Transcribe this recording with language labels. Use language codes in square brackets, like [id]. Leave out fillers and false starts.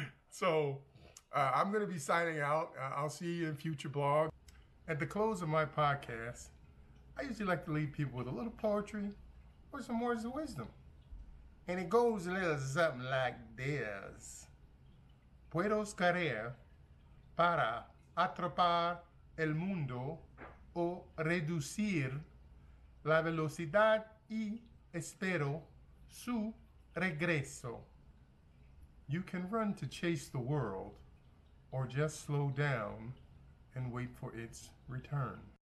[en] So I'm going to be signing out. I'll see you in future blogs. At the close of my podcast, I usually like to leave people with a little poetry or some words of wisdom. And it goes a little something like this. [es] Puedo correr para atrapar el mundo o reducir la velocidad y espero su regreso. [en] You can run to chase the world, or just slow down and wait for its return.